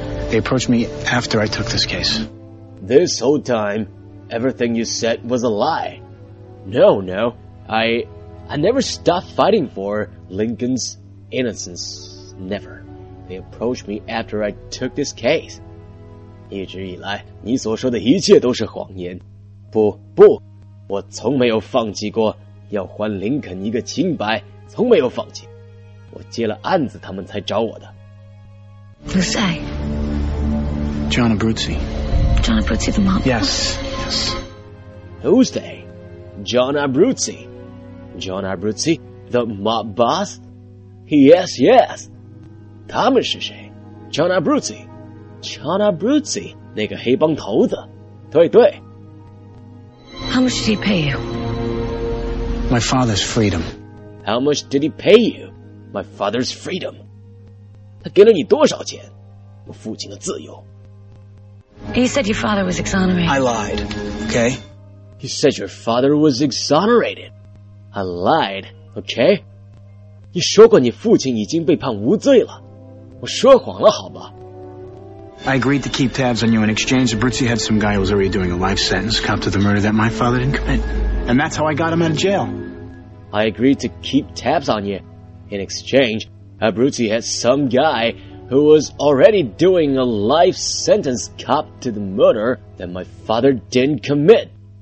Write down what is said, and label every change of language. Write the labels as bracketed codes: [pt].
[en] They approached me after I took this case. This whole time, everything you said was a lie? No, no. I never stopped fighting for Lincoln's innocence, never. They approached me after I took this case. [zh] 一直以来，你所说的一切都是谎言。不，不，我从没有放弃过要还林肯一个清白，从没有放弃。我接了案子，他们才找我的。 [en] Who's that? John Abruzzi. John Abruzzi, the mob. Yes, yes. Who's that? John Abruzzi. John Abruzzi, the mob boss. Yes, yes. [zh] 他们是谁 [en] ？John Abruzzi. [zh] John Abruzzi, 那个黑帮头子，对对。 [en] How much did he pay you? My father's freedom. How much did he pay you? My father's freedom. [zh] 他给了你多少钱？我父亲的自由。 [en] He said your father was exonerated. I lied, okay? He said your father was exonerated. I lied, okay? [zh] 你说过你父亲已经被判无罪了，我说谎了，好吧？ [en] I agreed to keep tabs on you in exchange. Abruzzi had some guy who was already doing a life sentence, cop to the murder that my father didn't commit. And that's how I got him out of jail. I agreed to keep tabs on you. In exchange, Abruzzi had some guy who was already doing a life sentence, cop to the murder that my father didn't commit.